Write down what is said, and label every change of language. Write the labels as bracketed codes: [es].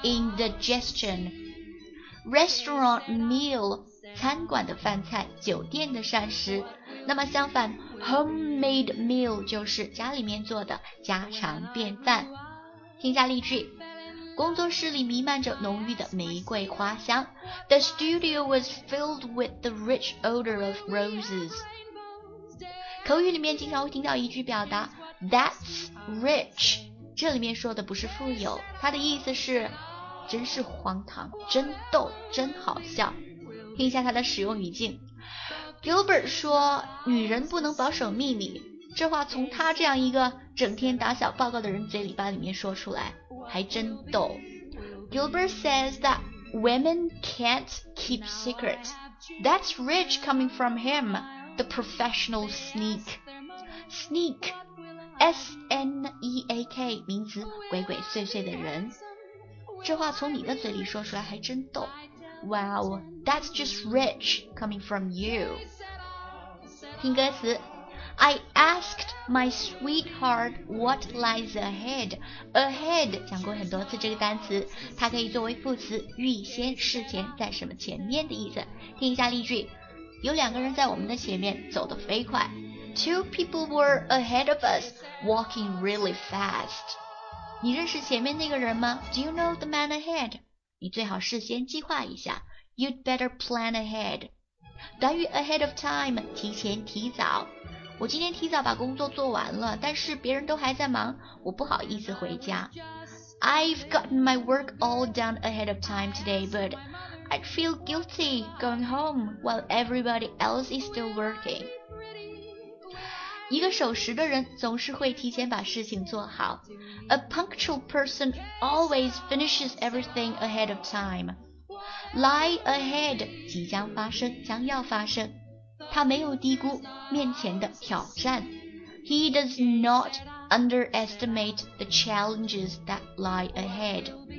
[zh] Indigestion。 Restaurant meal 餐馆的饭菜，酒店的膳食。那么相反， homemade meal 就是家里面做的家常便饭。听下例句，工作室里弥漫着浓郁的玫瑰花香。 [en] The studio was filled with the rich odor of roses。 [zh] 口语里面经常会听到一句表达 That's rich， 这里面说的不是富有，它的意思是真是荒唐，真逗，真好笑。听一下它的使用语境， Gilbert 说女人不能保守秘密，这话从他这样一个整天打小报告的人嘴里巴里面说出来还真逗。 [en] Gilbert says that women can't keep secrets. That's rich coming from him, the professional sneak. [zh] Sneak, S-N-E-A-K, 名词，鬼鬼祟祟的人。这话从你的嘴里说出来还真逗。 [en] Wow, that's just rich coming from you. [zh] 听歌词， [en] I asked my sweetheart what lies ahead. [zh] Ahead 讲过很多次这个单词，它可以作为副词，预先、事前、在什么前面的意思。听一下例句，有两个人在我们的前面走得飞快。 [en] Two people were ahead of us, walking really fast. [zh] 你认识前面那个人吗？ [en] Do you know the man ahead? [zh] 你最好事先计划一下。 [en] You'd better plan ahead. [zh] 短语 [en] ahead of time [zh] 提前、提早。我今天提早把工作做完了，但是别人都还在忙，我不好意思回家。 [en] I've gotten my work all done ahead of time today, but I'd feel guilty going home while everybody else is still working. [zh] 一个守时的人总是会提前把事情做好。 [en] A punctual person always finishes everything ahead of time. [zh] Lie ahead, 即将发生，将要发生。他没有低估面前的挑战。 [en] He does not underestimate the challenges that lie ahead.